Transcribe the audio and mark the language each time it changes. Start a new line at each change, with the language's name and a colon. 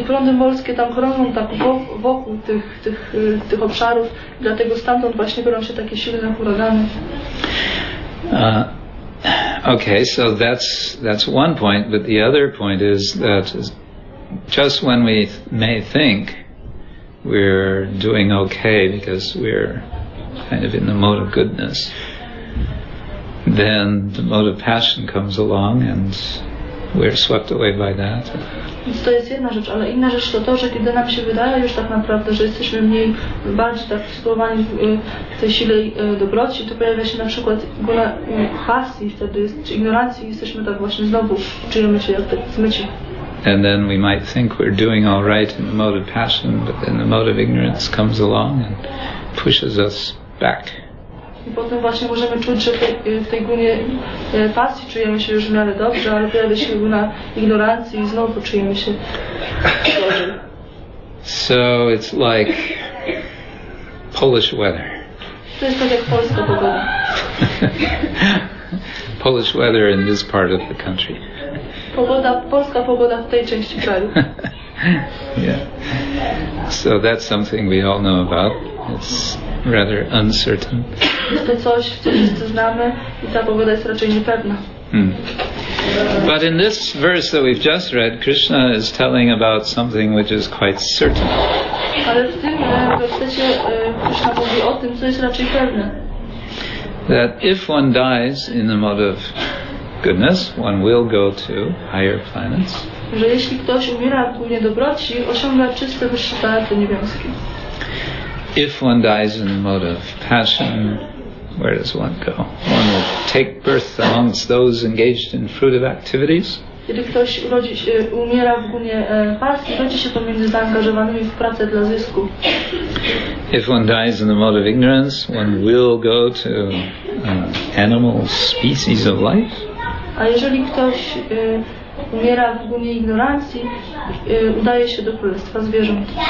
Polish: I prądy morskie tam krążą tak wokół tych obszarów, dlatego stamtąd właśnie biorą się takie silne huragany.
English: Okay, so that's one point, but the other point is that just when we may think we're doing okay because we're kind of in the mode of goodness, then the mode of passion comes along and we're swept away by that.
Polish: To jest jedna rzecz, ale inna rzecz to to, że kiedy nam się wydaje już tak naprawdę, że jesteśmy mniej, bardziej tak sytuowani w tej sile dobroci, to pojawia się na przykład góra pasji wtedy, czy ignorancji, jesteśmy tak właśnie znowu, czujemy się jak te zmycie.
English: And then we might think we're doing all right in the mode of passion, but then the mode of ignorance comes along and pushes us back.
Polish: I potem właśnie możemy czuć, że w tej gunie pasji czujemy się już w miarę dobrze, ale pojawia się guna ignorancji i znowu czujemy się dobrze.
English: So it's like Polish weather.
Polish: To jest tak jak polska pogoda.
English: Polish weather in this part of the country.
Polish: Pogoda, polska pogoda w tej części kraju.
English: Yeah. So that's something we all know about. It's rather uncertain.
Polish: To coś, co wszyscy znamy i ta pogoda jest raczej niepewna.
English: But in this verse that we've just read, Krishna is telling about something which is quite certain.
Polish: Ale w tym wersecie Krishna mówi o tym, co jest raczej pewne.
English: That if one dies in the mode of goodness, one will go to higher planets.
Polish: Że jeśli ktoś umiera w gunie dobroci, osiąga czyste, wyższe planety niebiańskie.
English: If one dies in the mode of passion, where does one go? One will take birth amongst those engaged in fruitive activities.
Polish: Kiedy ktoś umiera w gunie pasji, rodzi się pomiędzy zaangażowanymi w pracę dla zysku.
English: If one dies in the mode of ignorance, one will go to animal species of life.
Polish: A jeżeli ktoś umiera w gunie ignorancji, udaje się do królestwa zwierząt.